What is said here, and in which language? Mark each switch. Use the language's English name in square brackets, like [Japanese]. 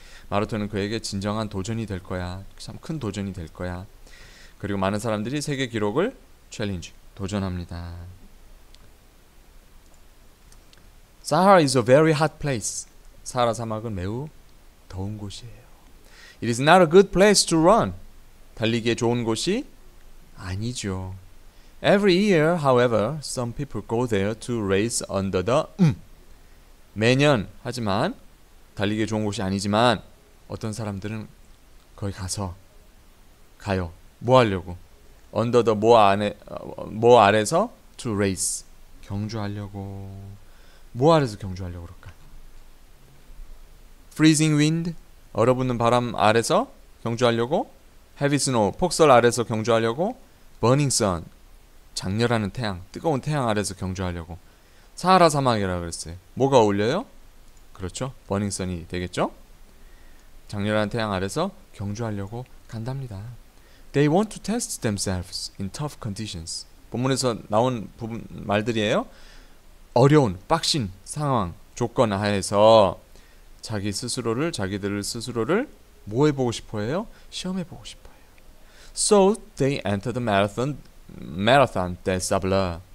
[Korean] 마라톤은 그에게 진정한 도전이 될 거야. 참 큰 도전이 될 거야. 그리고 많은 사람들이 세계 기록을 챌린지, 도전합니다. [English] Sahara is a very hot place. [Korean] 사하라 사막은 매우 더운 곳이에요. [English] It is not a good place to run. [Korean] 달리기에 좋은 곳이 아니죠. [English] Every year, however, some people go there to race under the [Korean] 매년 하지만 달리기 좋은 곳이 아니지만 어떤 사람들은 거기 가요. 뭐 하려고? [English] Under the [Korean] 뭐 아래서 [English] to race [Korean] 경주하려고. 뭐 아래서 경주하려고 그럴까? [English] Freezing wind [Korean] 얼어붙는 바람 아래서 경주하려고. [English] Heavy snow [Korean] 폭설 아래서 경주하려고. [English] Burning sun [Korean] 장렬하는 태양, 뜨거운 태양 아래서 경주하려고. 사하라 사막이라고 그랬어요. 뭐가 어울려요? 그렇죠. 버닝썬이 되겠죠. 장렬한 태양 아래서 경주하려고 간답니다. [English] They want to test themselves in tough conditions. [Korean] 본문에서 나온 부분 말들이에요. 어려운, 빡신 상황, 조건 하에서 자기들을 스스로를 뭐 해보고 싶어해요? 시험해보고 싶어요. [English] So they enter the marathon de sable.